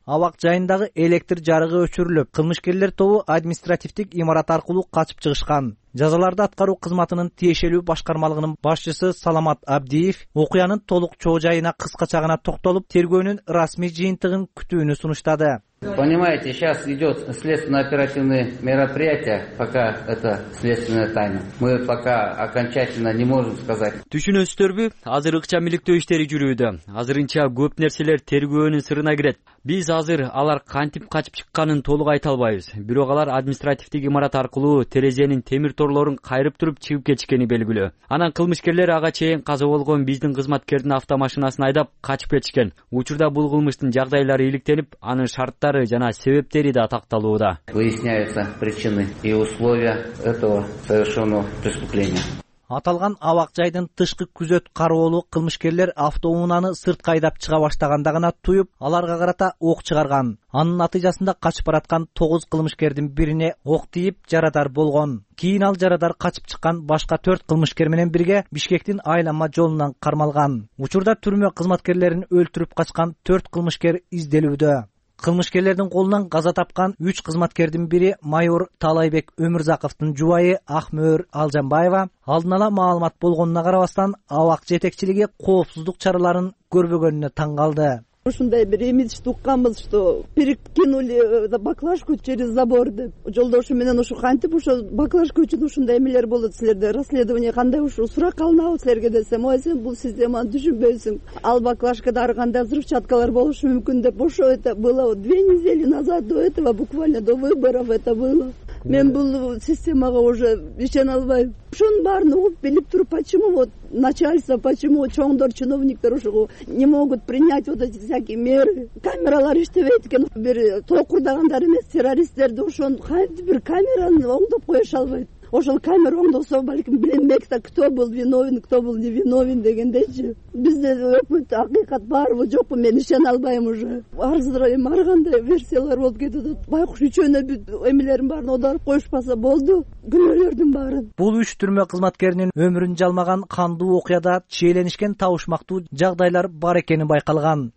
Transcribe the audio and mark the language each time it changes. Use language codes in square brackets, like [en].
[ky] Абак жайындагы электр жарыгы өчүрүлүп, кылмышкерлер тобу административдик имарат аркылуу качып чыгышкан. Жазаларды аткаруу кызматынын тиешелүү башкармалыгынын башчысы Саламат Абдиев окуянын толук чоо жайына кыскача гана токтолуп, тергөөнүн расмий жыйынтыгын күтүүнү сунуштады. [ru] Понимаете, сейчас идет следственно-оперативные мероприятия, пока это следственная тайна. Мы пока окончательно не можем сказать. [ky] Түшүнөсүздөрбү? Азыр ыкча миликтөө иштери жүрүүдө. Азырынча көп нерселер тергөөнүн сырына кирет. Биз азыр алар кантип качып чыкканын толук айта албайбыз. Бирок алар административдик имарат аркылуу терезенин темир торлорун кайрып туруп чыгып кетишкени белгилүү. Анан кылмышкерлер ага чейин каза болгон биздин кызматкердин автомашинасын айдап качып кетишкен. Учурда бул кылмыштын жагдайлары иликтенип, анын шарттары жана себептери да такталууда. [ru] Выясняются причины и условия этого совершенного преступления. [ky] Аталган абак жайдын тышкы күзөт кароолу кылмышкерлер автоунааны сыртка айдап чыга баштаганда гана туюп, аларга карата ок чыгарган. Анын натыйжасында качып бараткан 9 кылмышкердин бирине ок тийип жарадар болгон. Кийин ал жарадар качып чыккан башка 4 кылмышкер менен бирге Бишкектин айланма жолунан кармалган. Учурда түрмө кызматкерлерин өлтүрүп качкан 4 кылмышкер изделүүдө. Кылмышкерлердин колунан каза тапкан 3 кызматкердин бири майор Талайбек Өмүрзаковдун жубайы Акмөөр Алжанбаева алдын ала маалымат болгонуна карабастан абак жетекчилиги коопсуздук чараларын көрбөгөнүнө таң калды. Ушундай бир имиджди укканбыз, [ru] что перекинули баклажку через забор [ky] деп. Жолдошум менен ушу кантип ушу баклажка үчүн ушундай эмелер болот силерде, расследование кандай ушу сурак алынабы силерге десем, ой сен бул системаны түшүнбөйсүң. Ал баклажкада ар кандай взрывчаткалар болушу мүмкүн деп, ошо [ru] это было 2 недели назад, до этого буквально до выборов это было. [ky] Мен бул системага уже ишене албайм. Ушунун баарын угуп билип туруп, [ru] почему вот начальство, почему [ky] чоңдор чиновниктер ушуга [ru] не могут принять вот эти всякие меры? [ky] Камералар иштебейт экен. Бир токурдагандар эмес, террористтерди ошон кайсы бир камераны оңдоп коюша албайт. Ошол камера оңдосо балким билинбек да, [ru] кто был виновен, кто был не виновен [ky] дегендечи. Бизде өкмөт акыйкат барбы жокпу мен ишене албайм уже. Арызрайым ар кандай версиялар болуп кетип атат. Байкуш үчөөнө бүт эмелерин баарын оодарып коюшпаса болду күнөөлөрдүн баарын. Бул 3 түрмө кызматкеринин өмүрүн жалмаган кандуу окуяда чиеленишкен табышмактуу жагдайлар бар экени байкалган.